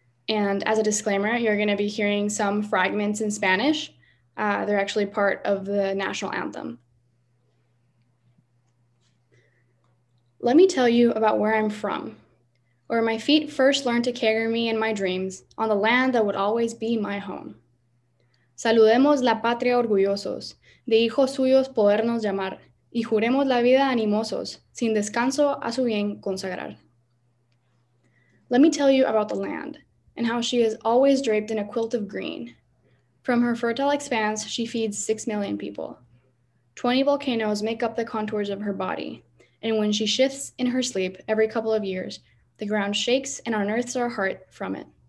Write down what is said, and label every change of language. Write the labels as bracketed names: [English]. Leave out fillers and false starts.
[English] And as a disclaimer, you're going to be hearing some fragments in Spanish. They're actually part of the national anthem. Let me tell you about where I'm from. Where my feet first learned to carry me in my dreams on the land that would always be my home. [Spanish] Saludemos la patria orgullosos, de hijos suyos podernos llamar, y juremos la vida animosos, sin descanso a su bien consagrar. [English] Let me tell you about the land and how she is always draped in a quilt of green. From her fertile expanse, she feeds 6 million people. 20 volcanoes make up the contours of her body. And when she shifts in her sleep every couple of years, the ground shakes and unearths our heart from it.